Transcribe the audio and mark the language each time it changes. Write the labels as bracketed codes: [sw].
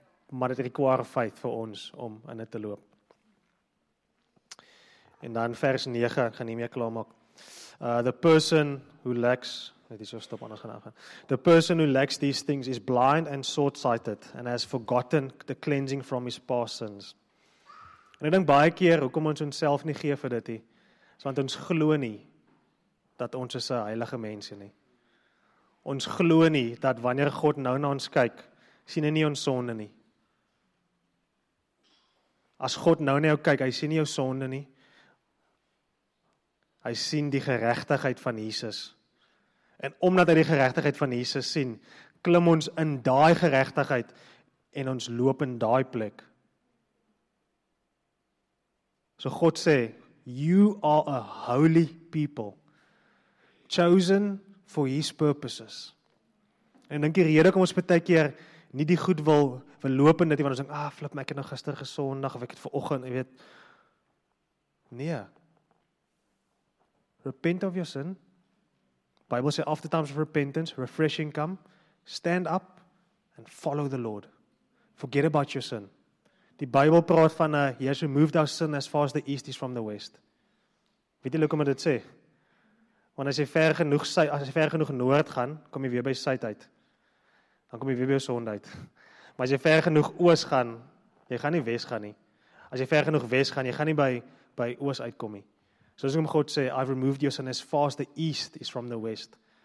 [af] Maar dit require faith vir ons om in dit te loop. En dan vers 9, gaan nie meer klaar maak. [en] The person who lacks, [af] net hier so stop, anders gaan aangaan. [en] The person who lacks these things is blind and short-sighted and has forgotten the cleansing from his past sins. [af] En ek dink baie keer, hoekom ons onself nie gee vir dit nie? Is want ons glo nie dat ons is 'n heilige mensie nie. Ons glo nie dat wanneer God nou na ons kyk, sien hy nie ons sonde nie. As God nou na jou kyk, hy sien nie jou sonde nie. Hy sien die geregtigheid van Jesus. En omdat hy die geregtigheid van Jesus sien, klim ons in daai geregtigheid en ons loop in daai plek. So God sê, [en] you are a holy people, chosen for his purposes. [af] En dink die rede kom ons baie keer nie die goed wil verloop en dit, want ons dink, flip my, ek het nou gister gesondag, of ek het vanoggend, jy weet. Nee. [en] Repent of your sin. Bible says, after times of repentance, refreshing come. Stand up and follow the Lord. Forget about your sin. [af] Die Bybel praat van, [en] he has removed our sin as far as the east is from the west. [af] Weet jy hoe kom dit sê? Want as jy ver genoeg noord gaan, kom jy weer by suid uit. Dan kom jy weer by sonde uit. Maar as jy ver genoeg oos gaan, jy gaan nie west gaan nie. As jy ver genoeg west gaan, jy gaan nie by oos uitkom nie. Soos om God sê, [en] I've removed your sin as far as the east is from the west.